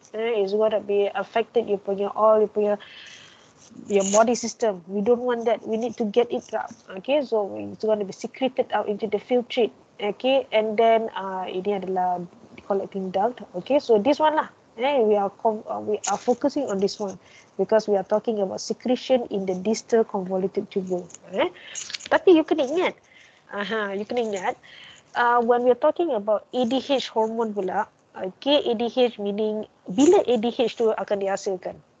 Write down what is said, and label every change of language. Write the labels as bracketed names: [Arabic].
[English] Okay, it's going to be affected you punya all you punya your body system. We don't want that. We need to get it up. Okay, so it's going to be secreted out into the filtrate. Okay, and then [Malay] ini adalah [English] collecting duct. Okay, so this one lah. Eh, we are focusing on this one because we are talking about secretion in the distal convoluted tubule. Eh, tapi you [Malay] kena ingat. [English] You kena ingat. When we are talking about ADH hormone pula, [Malay] Okay, ADH meaning bila ADH tu akan dihasilkan?